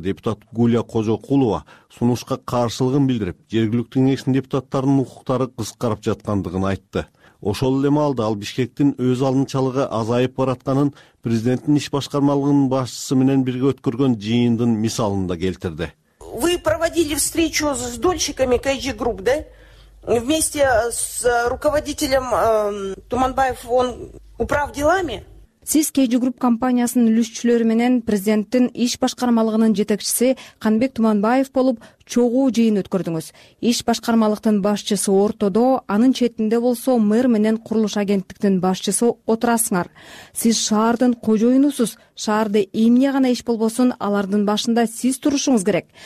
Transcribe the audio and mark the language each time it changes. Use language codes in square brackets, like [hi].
[ky] Депутат Гуля Кожокулова сунушка каршылыгын билдирип, жергиликтүү кеңештин депутаттарынын укуктары кыскарып жаткандыгын айтты. Ошол эле маалда ал Бишкектин өз алдынчалыгы азайып баратканын президенттин иш башкармалыгынын башчысы менен бирге өткөргөн жыйындын мисалын да келтирди. [ru] Вы проводили встречу с дольщиками КЖ Групп, да? Вместе с руководителем Туманбаев, он управ делами? [ky] Сиз КЖ Групп компаниясынын үлүшчүлөрү менен президенттин иш башкармалыгынын жетекчиси Канбек Туманбаев болуп чогуу жыйын өткөрдүңүз. Иш башкармалыктын башчысы ортодо, анын четинде болсо мэр менен курулуш агенттиктин башчысы отурасыңар. Сиз шаардын кожоюнусуз. Шаарда эмне гана иш болбосун, алардын башында сиз турушуңуз керек.